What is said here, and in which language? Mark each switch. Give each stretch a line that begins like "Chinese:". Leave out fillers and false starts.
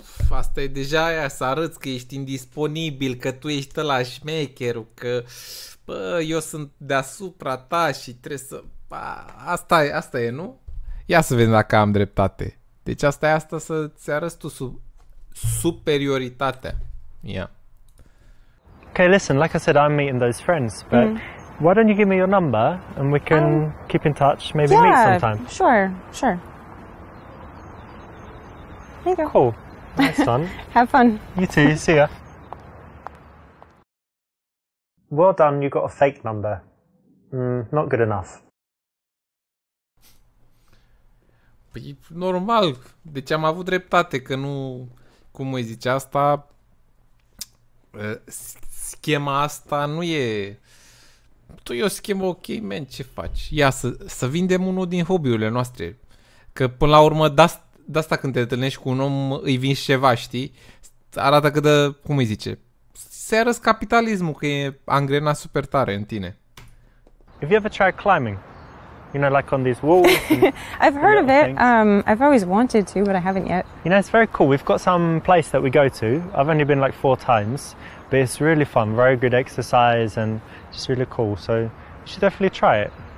Romanian: Asta e deja aia, să arăți că ești indisponibil, că tu ești ăla șmecherul, că bă, eu sunt deasupra ta și trebuie să... Bă, asta e, nu? Ia să vedem dacă am dreptate. Deci asta să-ți arăți tu superioritatea.
English: Yeah. Okay, listen, like I said, I'm meeting those friends, but why don't you give me your number and we can keep in touch, maybe yeah, meet sometime. Sure. Cool. Nice one. Have fun. You too. See ya. Well done. You got a fake number. Not good enough.
Romanian: Păi normal, deci am avut dreptate că nu, cum îi zice asta, schema asta nu e, tu e o schemă ok, man, ce faci? Ia să vindem unul din hobby-urile noastre, că până la urmă de asta când te întâlnești cu un om îi vinzi ceva, știi? Arată că de, cum îi zice, se arăs capitalismul că e angrena super tare în tine.
English: Have you ever tried climbing? You know, like on these walls. I've heard of it. I've always wanted to, but I haven't yet. You know, it's very cool. We've got some place that we go to. I've only been like 4 times, but it's really fun. Very good exercise and just really cool. So you should definitely try it.